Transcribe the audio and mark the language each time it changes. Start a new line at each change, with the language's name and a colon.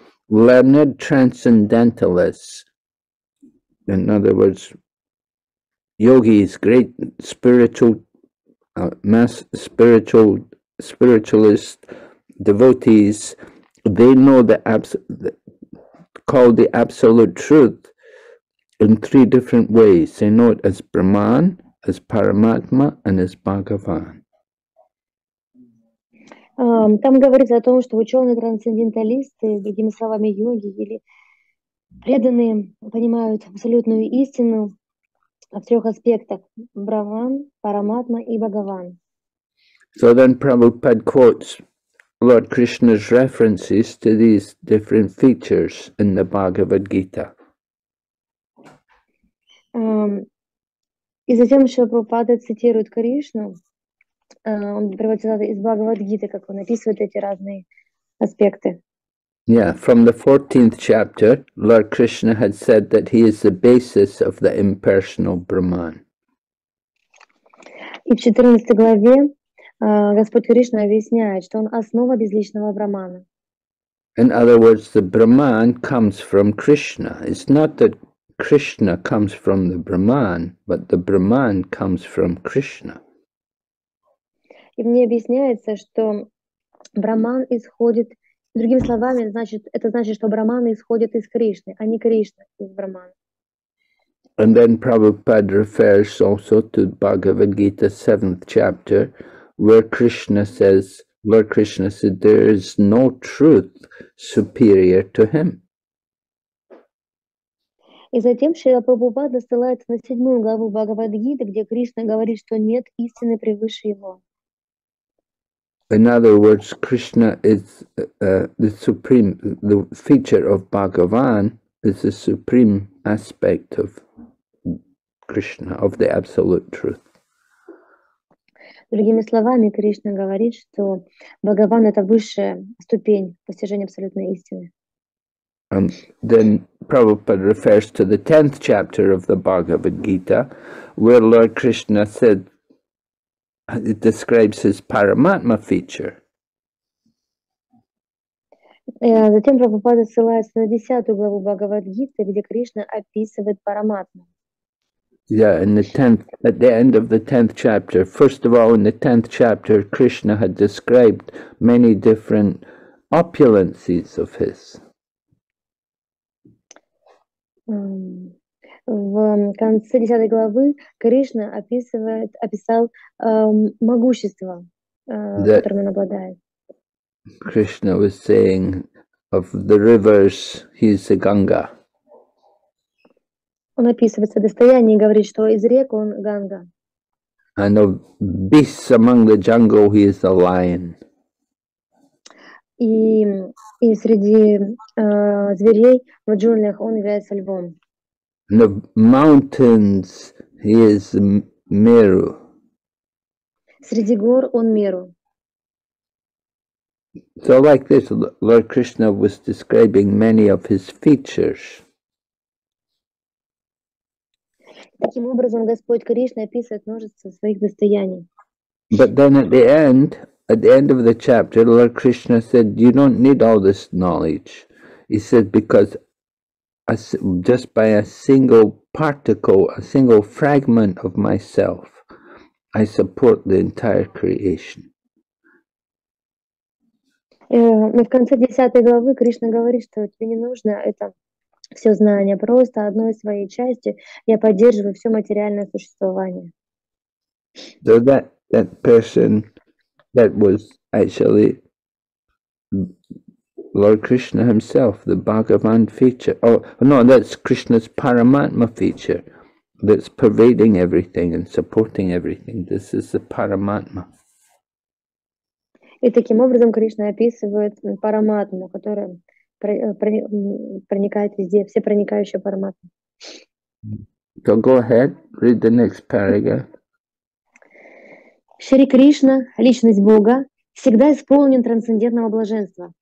English: Learned transcendentalists, in other words, yogis, great spiritualist devotees, they know the absolute truth in three different ways. They know it as Brahman, as Paramatma, and as Bhagavan.
Russian: Там говорится о том, что ученые трансценденталисты, другими словами, йоги или преданные понимают абсолютную истину в трех аспектах: Брахман, Параматма и Бхагаван.
English: So then Prabhupada quotes Lord Krishna's references to these different features in the Bhagavad Gita.
Russian: И затем Шрила Прабхупада цитирует Кришну, он приводит цитаты из Бхагавад Гиты, как он описывает эти разные аспекты.
English: Yeah, from the 14th chapter, Lord Krishna had said that he is the basis of the impersonal Brahman.
Russian: И в 14 главе Господь Кришна объясняет, что он основа безличного Брахмана.
English: In other words, the Brahman comes from Krishna. It's not that Krishna comes from the Brahman, but the Brahman comes from Krishna.
Russian: И мне объясняется, что Брахман исходит. Другими словами, это значит, что Брахман исходит из Кришны, а не Кришна из Брахмана.
English: And then Prabhupada refers also to Bhagavad Gita 7th chapter, where Krishna said, there is no truth superior to him.
Russian: И затем Шрила Прабхупада ссылается на 7 главу Бхагавад Гиты, где Кришна говорит, что нет истины превыше его.
English: In other words, Krishna is the feature of Bhagavan is the supreme aspect of Krishna, of the absolute truth.
Russian: Другими словами, Кришна говорит, что Бхагаван — это высшая ступень постижения абсолютной истины.
English: And then Prabhupada refers to the 10th chapter of the Bhagavad Gita, where Lord Krishna said, it describes his Paramatma feature.
Russian: Затем Прабхупада ссылается на 10 главу Бхагавад Гиты, где Кришна описывает Параматму.
English: Yeah, at the end of the 10th chapter. First of all, in the 10th chapter, Krishna had described many different opulences of his.
Russian: В конце 10 главы Кришна описал могущество, которым он обладает.
English: Krishna was saying of the rivers, he is the Ganga.
Russian: Он описывается достояние и говорит, что из рек он Ганга.
English: And of beasts among the jungle, he is the lion.
Russian: И среди зверей в джунглях он является львом.
English: In the mountains, he is Meru.
Russian: Среди гор он Меру.
English: So like this, Lord Krishna was describing many of his features.
Russian: Таким образом, Господь Кришна описывает множество своих достояний.
English: But then at the end of the chapter, Lord Krishna said, you don't need all this knowledge. He said, because just by a single particle, a single fragment of myself, I support the entire creation.
Russian: Но в конце 10 главы Кришна говорит, что тебе не нужно это все знание, просто одной своей части я поддерживаю все материальное существование.
English: So that person that was actually Lord Krishna himself, the Bhagavan feature. Oh no, that's Krishna's Paramatma feature that's pervading everything and supporting everything. This is the Paramatma.
Russian: И таким образом Кришна описывает параматму, которая проникает везде, все проникающие параматмы.
English: So go ahead, read the next paragraph.
Russian: Шри Кришна, личность Бога, всегда исполнен трансцендентного блаженства.